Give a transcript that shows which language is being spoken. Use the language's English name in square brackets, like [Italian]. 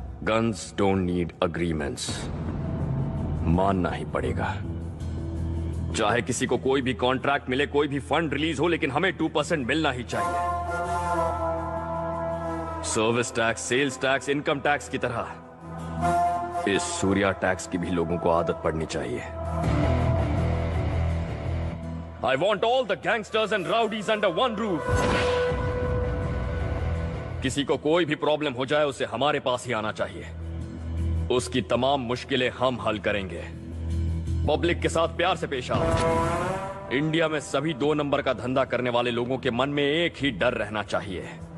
[English] Guns don't need agreements. [Hindi] मानना ही पड़ेगा। चाहे किसी को कोई भी कॉन्ट्रैक्ट मिले, कोई भी फंड रिलीज हो, लेकिन हमें 2% मिलना ही चाहिए। Service tax, sales tax, income tax की तरह इस सूर्या टैक्स की भी लोगों को आदत पड़नी चाहिए। [English] I want all the gangsters and rowdies under one roof. [Hindi] किसी को कोई भी प्रॉब्लम हो जाए उसे हमारे पास ही आना चाहिए। उसकी तमाम मुश्किलें हम हल करेंगे। पब्लिक के साथ प्यार से पेश आओ। इंडिया में सभी 2 नंबर का धंधा करने वाले लोगों के मन में एक ही डर रहना चाहिए।